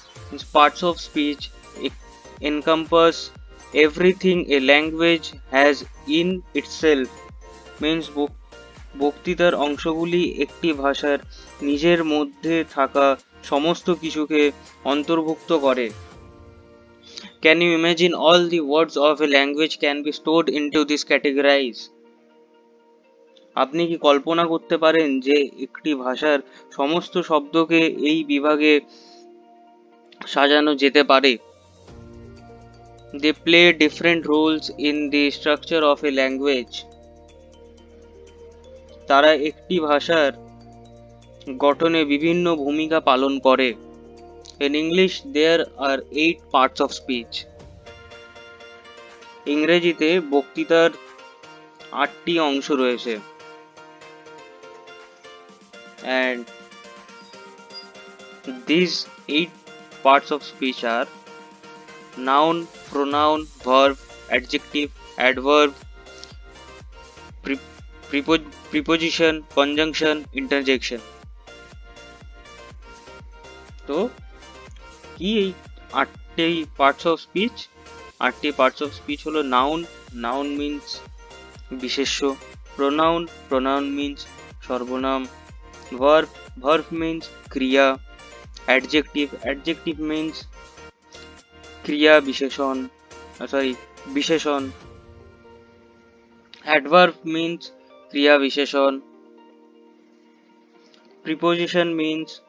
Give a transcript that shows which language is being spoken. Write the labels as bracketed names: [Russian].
[English] These parts of speech encompass everything a language has in itself means [Bangla] বক্তৃতার অংশগুলি একটি ভাষার নিজের মধ্যে থাকা সমস্ত কিছুকে অন্তর্ভুক্ত করে. [English] Can you imagine all the words of a language can be stored into this categories? [Bangla] আপনি কি কল্পনা করতে পারেন যে একটি ভাষার সমস্ত শব্দকে এই বিভাগে সাজানো যেতে পারে? [English] They play different roles in the structure of a language. [Bangla] তারা একটি ভাষার গঠনে বিভিন্ন ভূমিকা পালন করে. [English] In English, there are 8 parts of speech. [Bangla] ইংরেজিতে বক্তৃতার 8টি অংশ রয়েছে. [English] And these 8 parts of speech are noun, pronoun, verb, adjective, adverb, preposition, conjunction, interjection. [Bangla] তো কি এই 8টি parts of speech? 8টি [English] parts of speech [Bangla] হলো [English] noun, noun means [Bangla] বিশেষ্য, [English] pronoun, pronoun means [Bangla] সর্বনাম, [English] verb, verb means [Bangla] ক্রিয়া, [English] adjective, adjective means [Bangla] ক্রিয়া বিশেষণ, সরি বিশেষণ, [English] adverb means [Bangla] ক্রিয়া বিশেষণ, [English] preposition means